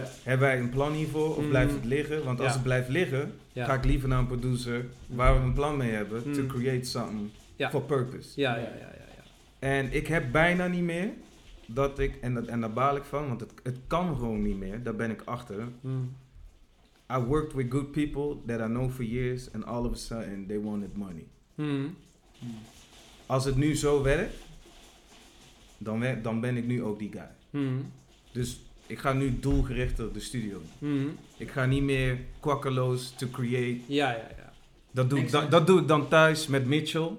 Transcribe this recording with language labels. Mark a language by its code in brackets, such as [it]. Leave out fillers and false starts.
[nl] Hebben wij een plan hiervoor of blijft het liggen? Want als het blijft liggen, ga ik liever naar een producer waar we een plan mee hebben. [en] Mm. To create something for purpose. [nl] Ja. En ik heb bijna niet meer dat ik, en daar baal ik van, want het kan gewoon niet meer. Daar ben ik achter. Mm. [en] I worked with good people that I know for years and all of a sudden they wanted money. Mm. Mm. [nl] Als het nu zo werkt, dan ben ik nu ook die guy. Hmm. Dus ik ga nu doelgerichter de studio. Hmm. Ik ga niet meer kwakkeloos to create. Ja. Dat doe ik dan thuis met Mitchell.